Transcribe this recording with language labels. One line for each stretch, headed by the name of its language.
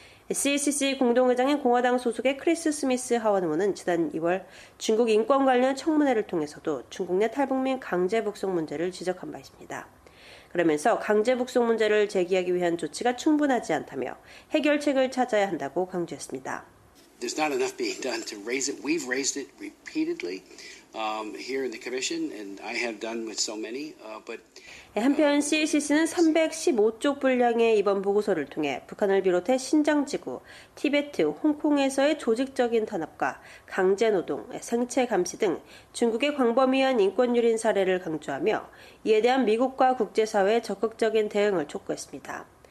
Korean: CCC 공동의장인 공화당 소속의 크리스 스미스 하원 의원은 지난 2월 중국 인권 관련 청문회를 통해서도 중국 내 탈북민 강제 북송 문제를 지적한 바 있습니다. 그러면서 강제 북송 문제를 제기하기 위한 조치가 충분하지 않다며 해결책을 찾아야 한다고 강조했습니다.
English: there's not enough being done to raise it. We've raised it repeatedly here in the commission, and I have done with so many.
Korean: 한편 CCC는 315쪽 분량의 이번 보고서를 통해 북한을 비롯해 신장 지구, 티베트, 홍콩에서의 조직적인 탄압과 강제 노동, 생체 감시 등 중국의 광범위한 인권 유린 사례를 강조하며 이에 대한 미국과 국제사회의 적극적인 대응을 촉구했습니다.